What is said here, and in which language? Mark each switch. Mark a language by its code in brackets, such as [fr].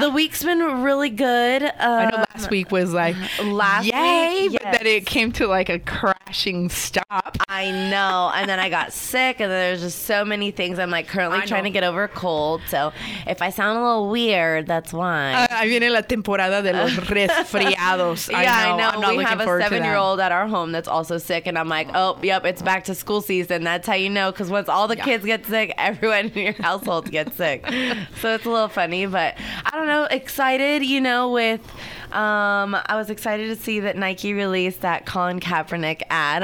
[en] The week's been really good. I know last week was like, but then it came to like a crashing stop. I know. And then I got sick, and then there's just so many things. I'm like currently trying to get over a cold. So if I sound a little weird, that's why. [es] Ahí viene la temporada de los resfriados. [en] I know. We have a 7-year-old at our home that's also sick, and I'm like, oh, yep, it's back to school season. That's how you know, because once all the kids get sick, everyone in your household gets sick. So it's a little funny, but I don't know, excited, you know, with... I was excited to see that Nike released that Colin Kaepernick ad.